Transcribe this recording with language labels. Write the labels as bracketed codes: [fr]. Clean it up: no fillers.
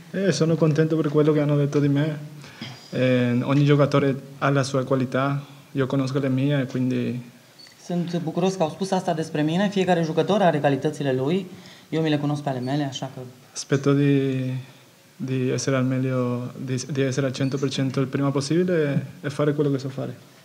[it] Sono contento per quello che hanno detto di me. Ogni giocatore ha la sua qualità. Io conosco le mie, quindi. [ro] Sunt bucuros că au spus asta despre mine. Fiecare jucător are calitățile lui. Eu mi le cunosc pe ale mele, așa că. [it] Spero di essere al meglio, di essere al 100% il prima possibile e fare quello che so fare.